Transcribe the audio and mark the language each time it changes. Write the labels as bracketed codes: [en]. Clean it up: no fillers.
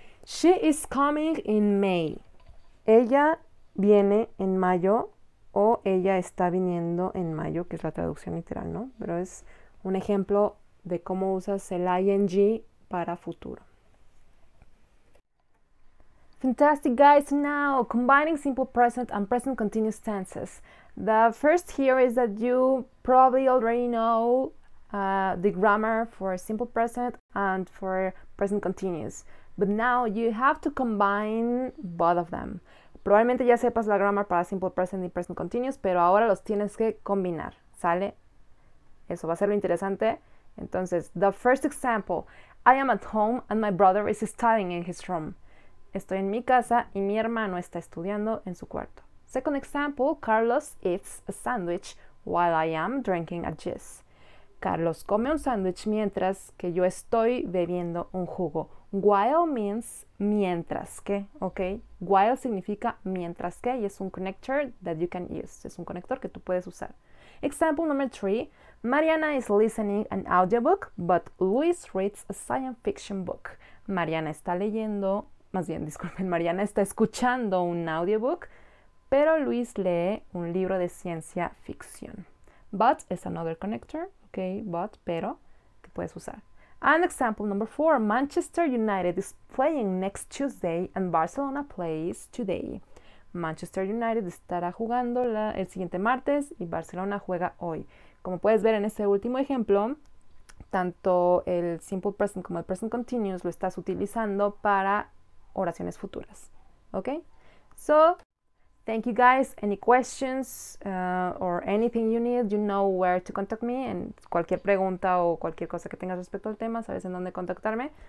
[en] She is coming in May. [es] Ella viene en mayo o ella está viniendo en mayo, que es la traducción literal, ¿no? Pero es un ejemplo de cómo usas el ing para futuro. [en] Fantastic, guys. Now, combining simple present and present continuous tenses. The first here is that you probably already know the grammar for simple present and for present continuous. But now you have to combine both of them. [es] Probablemente ya sepas la grammar para simple present y present continuous, pero ahora los tienes que combinar. ¿Sale? Eso va a ser lo interesante. Entonces, [en] the first example. I am at home and my brother is studying in his room. [es] Estoy en mi casa y mi hermano está estudiando en su cuarto. [en] Second example, Carlos eats a sandwich while I am drinking a juice. [es] Carlos come un sándwich mientras que yo estoy bebiendo un jugo. [en] While means [es] mientras que, ¿ok? While significa mientras que y es un connector [en] that you can use. [es] Es un conector que tú puedes usar. [en] Example number three, Mariana is listening an audiobook, but Luis reads a science fiction book. [es] Mariana está leyendo. Más bien, disculpen, Mariana está escuchando un audiobook, pero Luis lee un libro de ciencia ficción. [en] But is another connector, okay, but, pero, [es] que puedes usar. [en] And example number four, Manchester United is playing next Tuesday and Barcelona plays today. [es] Manchester United estará jugando el siguiente martes y Barcelona juega hoy. Como puedes ver en este último ejemplo, tanto el simple present como el present continuous lo estás utilizando para oraciones futuras. [en] Okay? So, thank you guys. Any questions or anything you need, you know where to contact me. [es] En cualquier pregunta o cualquier cosa que tengas respecto al tema, sabes en dónde contactarme.